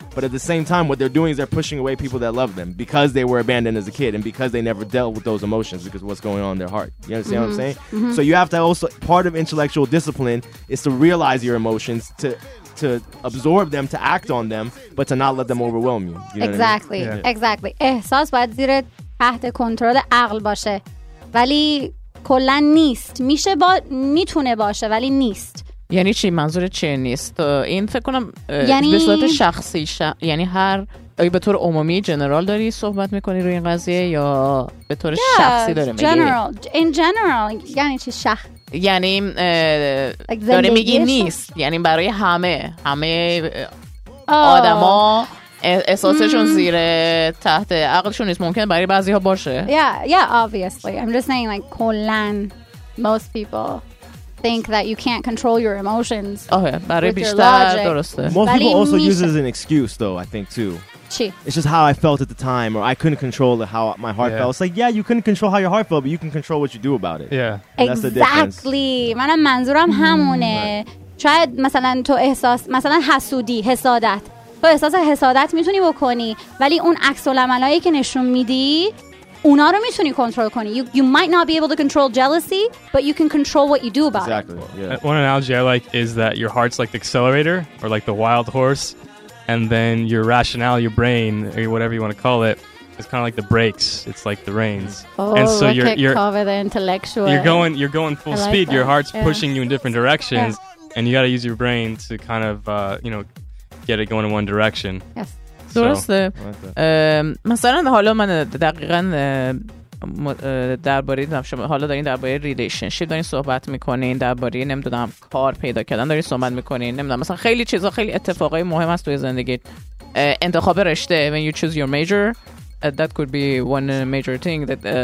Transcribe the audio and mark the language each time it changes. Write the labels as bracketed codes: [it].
[en] But at the same time, what they're doing is they're pushing away people that love them because they were abandoned as a kid and because they never dealt with those emotions because of what's going on in their heart. You understand what I'm saying? Mm-hmm. So you have to also, part of intellectual discipline is to realize your emotions, to absorb them, to act on them, but to not let them overwhelm you. You know exactly. What I mean? Yeah. Exactly. [fa] احساس باید زیر تحت کنترل عقل باشه. ولی کلن نیست. میتونه باشه ولی نیست. یعنی چی منظور چی نیست؟ این فکر کنم به صورت شخصی یعنی هر آیا به طور عمومی جنرال داری صحبت میکنی روی این قضیه یا به طور شخصی داری میگی؟ جنرال، این جنرال یعنی چی شخص؟ یعنی داری میگی نیست، یعنی برای همه، همه آدما احساسشون زیر تحت عقلشون نیست، ممکنه برای بعضی ها باشه. [en] Yeah, obviously. I'm just saying like kolan most people think that you can't control your emotions. Oh yeah, [fa] برای بیشتر درسته. [en] Most people also use it as an excuse though, I think too. [fa] چی؟ [en] It's just how I felt at the time or I couldn't control it, how my heart felt. It's like, yeah, you couldn't control how your heart felt, but you can control what you do about it. Yeah. And exactly. [fa] منم منظورم همونه. شاید مثلا تو احساس مثلا حسودی، حسادت. تو احساس حسادت میتونی بکنی، ولی اون عکس العملایی که نشون میدی اونا رو میتونی کنترل کنی. [en] You might not be able to control jealousy, but you can control what you do about it. One analogy I like is that your heart's like the accelerator or like the wild horse, and then your rationale, your brain, or whatever you want to call it, is kind of like the brakes. It's like the reins. Oh, and so look you're cover the intellectual. You're going full like speed. That. Your heart's pushing you in different directions, and you got to use your brain to kind of you know get it going in one direction. Yes. [fa] درسته. مثلا حالا من دقیقاً درباره شما حالا دارین درباره ریلیشنشیپ دارین صحبت میکنین، درباره نمیدونم کار پیدا کردن دارین صحبت میکنین، نمیدونم مثلا خیلی چیزا، خیلی اتفاقای مهم است توی زندگی، انتخاب رشته، [en] when you choose your major that could be one major thing that